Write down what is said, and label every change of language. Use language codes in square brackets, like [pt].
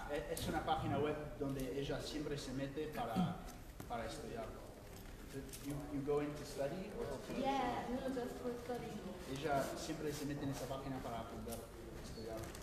[es] Es una página web donde ella siempre se mete para estudiar. [en] You go in to study or to study? Yeah, no, just for studying. [es] Ella siempre se mete en esa página para aprender a estudiar.